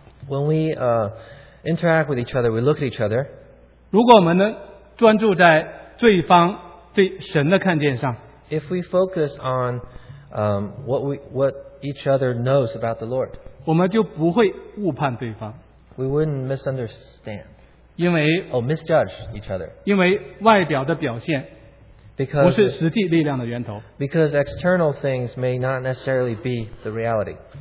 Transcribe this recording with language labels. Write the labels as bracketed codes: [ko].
[en] When we interact with each other, we look at each other. [zh] 如果我们能专注在对方对神的看见上, [en] if we focus on what each other knows about the Lord, [zh] 我们就不会误判对方, [en] we wouldn't misunderstand [zh] 因为, [en] or misjudge each other. [zh] 因为外表的表现, [en] because external things may not necessarily be the reality.